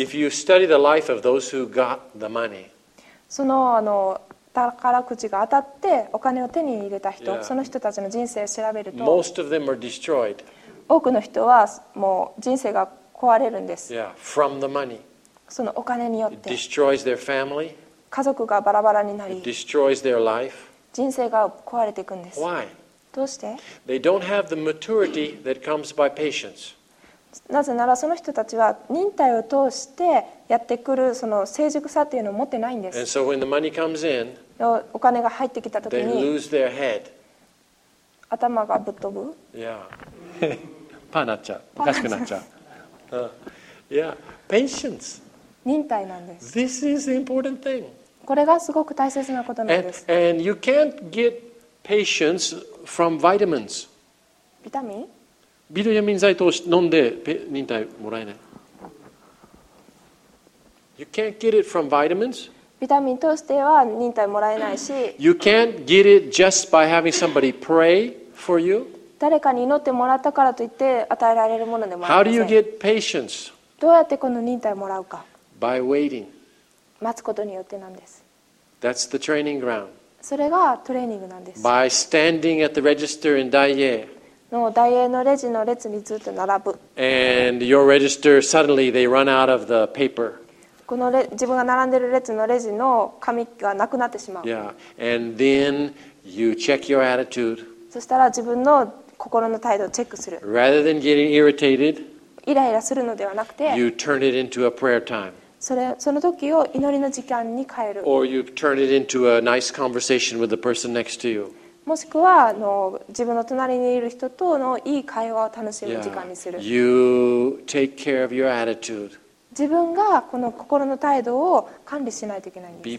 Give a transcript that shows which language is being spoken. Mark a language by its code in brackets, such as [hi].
[en] If you study the life of those who got the money, [ja] その宝くじが当たってお金を手に入れた人、その人たちの人生を調べると、 [en] most of them are destroyed. [ja] 多くの人はもう人生が壊れるんです。 [en] Yeah, from the money. [ja] そのお金によって、 [en] it destroys their family. [ja] 家族がバラバラになり、 [en] it destroys their life. [ja] 人生が壊れていくんです。 [en] Why? [ja] どうして? [en] They don't have the maturity that comes by patience. [ja] なぜならその人たちは忍耐を通してやってくるその成熟さっていうのを持ってないんです。 [en] And so when the money comes in, [ja] お金が入ってきた時に [en] they lose their head. [ja] 頭がぶっ飛ぶ。いや、パーなっちゃう。おかしくなっちゃう。いや、patience。忍耐なんです。 [en] This is an important thing。 [ja] これがすごく大切なことなんです。 [en] And you can't get patience from vitamins。 [ja] ビタミン？ビタミン剤通し飲んで忍耐もらえない。 [en] You can't get it from vitamins。 [ja] ビタミン通しては忍耐もらえないし。 [en] You can't get it just by having somebody pray for you。 [ja] 誰かに祈ってもらったからといって与えられるものでもありません。 [en] How do you get patience？ [ja] どうやってこの忍耐もらうか。 [en] By waiting。 [ja] 待つことによってなんです。 [en] That's the training ground。 [ja] それがトレーニングなんです。 [en] By standing at the register in Daiye。 [ja] のダイエーのレジの列にずっと並ぶ。 [en] And your register suddenly they run out of the paper。 [ja] この自分が並んでる列のレジの紙がなくなってしまう。 [en] Yeah. And then you check your attitude. [ja] そしたら自分の心の態度をチェックする。 [en] Rather than getting irritated, [ja] イライラするのではなくて、 [en] you turn it into a prayer time. [ja] その時を祈りの時間に変える。 [en] Or you turn it into a nice conversation with the person next to you. [ja] もしくは自分の隣にいる人とのいい会話を楽しむ時間にする。 [en] Yeah. You take care of your attitude. [ja] 自分がこの心の態度を管理しないといけないんです。